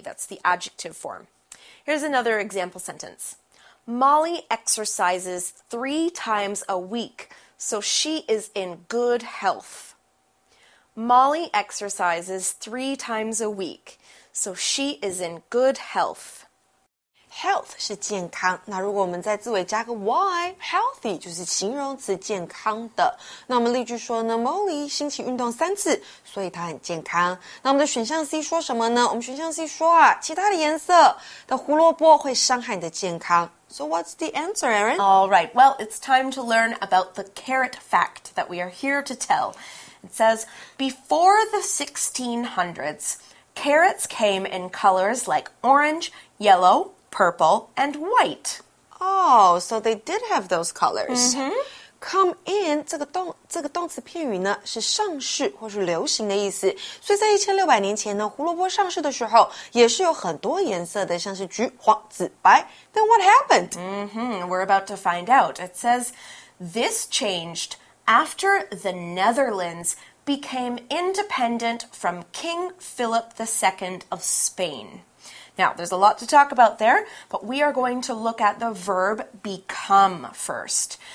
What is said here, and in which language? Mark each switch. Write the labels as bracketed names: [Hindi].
[English] That's the adjective form. Here's another example sentence. Molly exercises 3 times a week, so she is in good health. Molly exercises 3 times a week, so she is in good health. [Chinese] Health 是健康，那如果我们在字尾加个 y, healthy 就是形容词健康的。那我们例句说呢 ,Molly 星期运动3次，所以她很健康。那我们的选项 C 说什么呢？我们选项 C 说啊，其他的颜色的胡萝卜会伤害你的健康。 [English] So what's the answer, Erin? All right, well, it's time to learn about the carrot fact that we are here to tell. It says, before the 1600s, carrots came in colors like orange, yellow,purple, and white. Oh, so they did have those colors. [Chinese] Come in, 这个动词片语呢是上市或是流行的意思。所以在1600年前呢胡萝卜上市的时候也是有很多颜色的像是橘、黄、紫、白。 [English] Then what happened? We're about to find out. It says, this changed after the Netherlands became independent from King Philip II of Spain. Now, there's a lot to talk about there, but we are going to look at the verb become first.